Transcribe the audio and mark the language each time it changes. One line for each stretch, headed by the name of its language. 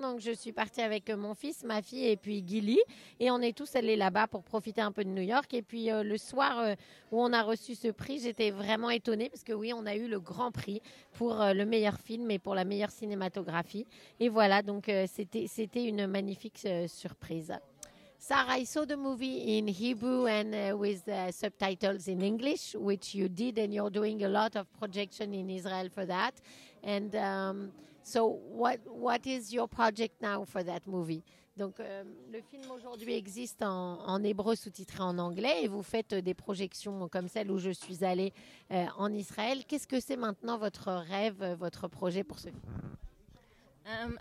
French: Donc, je suis partie avec mon fils, ma fille et puis Gilly. Et on est tous allés là-bas pour profiter un peu de New York. Et puis, le soir où on a reçu ce prix, j'étais vraiment étonnée. Parce que oui, on a eu le grand prix pour le meilleur film et pour la meilleure cinématographie. Et voilà, donc, c'était une magnifique surprise.
English: Sar, I saw the movie in Hebrew and with subtitles in English, which you did, and you're doing a lot of projection in Israel for that. And so what is your project now for that movie?
French: Donc, le film aujourd'hui existe en hébreu sous-titré en anglais, et vous faites des projections comme celle où je suis allée en Israël. Qu'est-ce que c'est maintenant votre rêve, votre projet pour ce film?